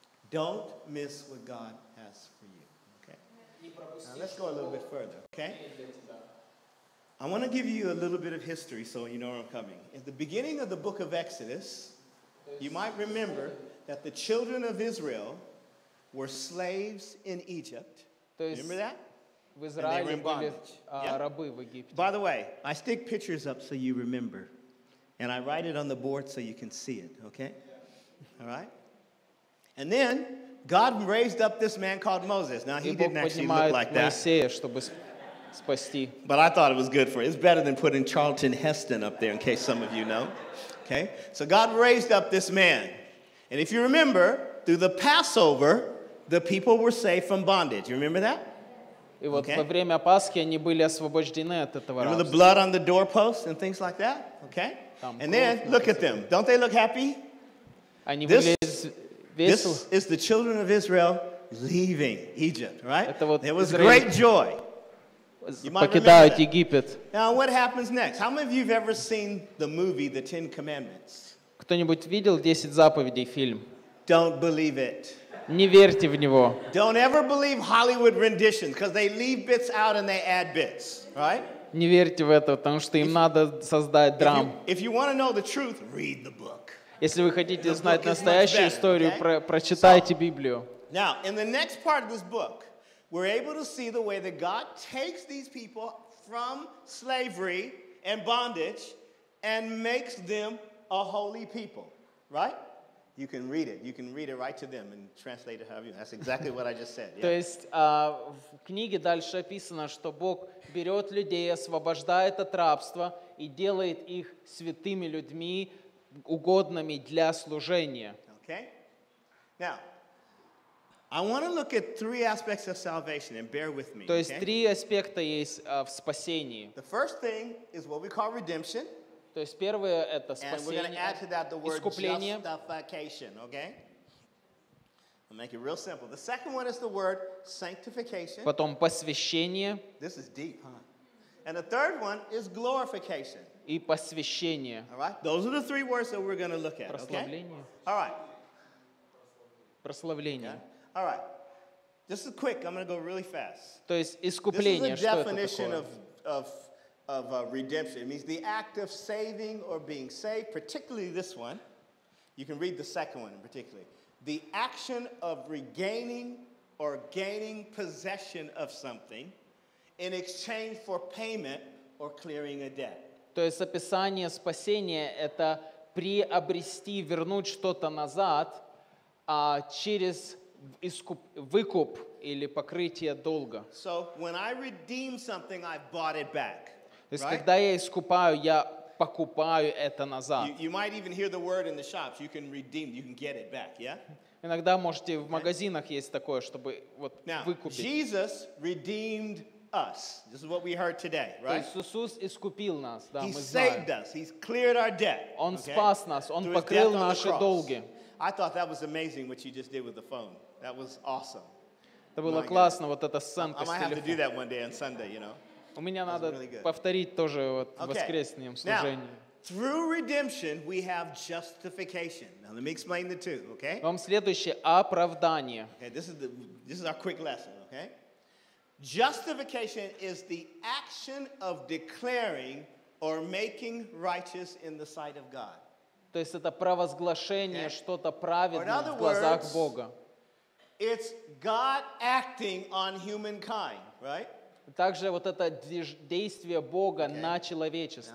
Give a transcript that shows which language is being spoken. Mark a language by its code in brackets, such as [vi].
[en] Don't miss what God has for you, okay? Now, let's go a little bit further, okay? I want to give you a little bit of history so you know where I'm coming. At the beginning of the book of Exodus, you might remember that the children of Israel were slaves in Egypt. Remember that? [ru] В Израиле были рабы в Египте. [en] By the way, I stick pictures up so you remember. And I write it on the board so you can see it, okay? All right? And then God raised up this man called Moses. Now he didn't actually look like that. [ru] Моисея, чтобы спасти. [en] But I thought it was good for it. It's better than putting Charlton Heston up there in case some of you know. Okay? So God raised up this man. And if you remember, through the Passover, the people were saved from bondage. You remember that? [ru] И вот во время Пасхи они были освобождены от этого рабства. [en] Remember the blood on the doorpost and things like that? Okay? And then, look at them. Don't they look happy? [ru] Они были весел. [en] This is the children of Israel leaving Egypt, right? There was great joy. [ru] Покидают Египет. [en] Now, what happens next? How many of you have ever seen the movie, The Ten Commandments? [ru] Кто-нибудь видел 10 заповедей фильм? [en] Don't believe it. [ru] Не верьте в него. [en] Don't ever believe Hollywood renditions, because they leave bits out and they add bits, right? [ru] Не верьте в это, потому что им надо создать драм. [en] If you want to know the truth, read the book. [ru] Если вы хотите знать настоящую историю, прочитайте Библию. [en] Now, in the next part of this book, we're able to see the way that God takes these people from slavery and bondage and makes them a holy people, right? You can read it. You can read it right to them and translate it however you want. That's exactly what I just said. [ru] То есть в книге дальше описано, что Бог берет людей, освобождает от рабства и делает их святыми людьми, угодными для служения. [en] Okay. Now, I want to look at three aspects of salvation and bear with me. [ru] То есть три аспекта есть в спасении. [en] The first thing is what we call redemption. [ru] То есть первое – это спасение, [en] and we're add to that the word [ru] искупление. [en] Justification, okay? I'll make it real simple. The second one is the word sanctification. [ru] Потом посвящение. [en] This is deep, huh? And the third one is glorification. [ru] И посвящение. [en] All right? Those are the three words that we're going to look at, [ru] прославление. [en] Okay? All right. [ru] Прославление. [en] Okay? All right. This is quick. I'm going to go really fast. [ru] То есть искупление. [en] This is the definition of redemption. It means the act of saving or being saved, particularly this one. You can read the second one in particular. The action of regaining or gaining possession of something in exchange for payment or clearing a debt. [ru] То есть описание спасения – это приобрести, вернуть что-то назад через выкуп или покрытие долга. [en] So when I redeem something, I bought it back. [ru] То есть, когда я искупаю, я покупаю это назад. [en] You might even hear the word in the shops. You can redeem, you can get it back, yeah? [ru] Иногда, можете, в магазинах есть такое, чтобы вот выкупить. [en] Now, Jesus redeemed us. This is what we heard today, right? [ru] Иисус искупил нас, да, мы знаем. [en] He saved us. He's cleared our debt. [ru] Он спас нас, Он покрыл наши долги. [en] I thought that was amazing what you just did with the phone. That was awesome. [ru] Это было классно, вот эта сценка с телефоном. [en] I might have to do that one day on Sunday, you know? [ru] У меня надо повторить тоже вот воскресным служением. [en] Through redemption we have justification. Now let me explain the two, okay? [ru] Вам следующее оправдание. [en] Okay, this is our quick lesson, okay? Justification is the action of declaring or making righteous in the sight of God. [ru] То есть это провозглашение что-то праведное в глазах Бога. [en] It's God acting on humankind, right? [ru] Также вот это действие Бога на человечество.